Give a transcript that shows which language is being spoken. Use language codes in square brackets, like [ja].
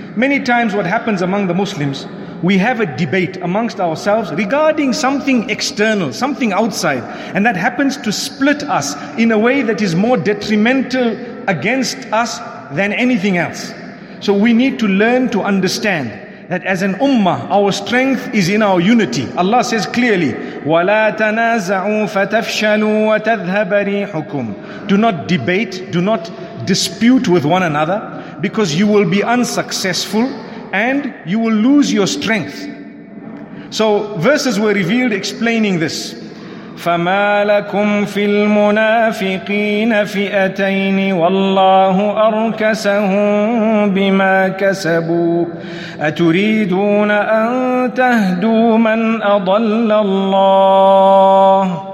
[en] Many times what happens among the Muslims, we have a debate amongst ourselves regarding something external, something outside, and that happens to split us in a way that is more detrimental against us than anything else. So we need to learn to understand that as an ummah, our strength is in our unity. Allah says clearly, [ar] وَلَا تَنَازَعُوا فَتَفْشَلُوا وَتَذْهَبَ رِيحُكُمْ. [en] Do not debate, do not dispute with one another, because you will be unsuccessful and you will lose your strength. So verses were revealed explaining this. [ar] فَمَا لَكُمْ فِي الْمُنَافِقِينَ فِئَتَيْنِ وَاللَّهُ أَرْكَسَهُمْ بِمَا كَسَبُوا أَتُرِيدُونَ أَن تَهْدُوا مَنْ أَضَلَّ اللَّهُ.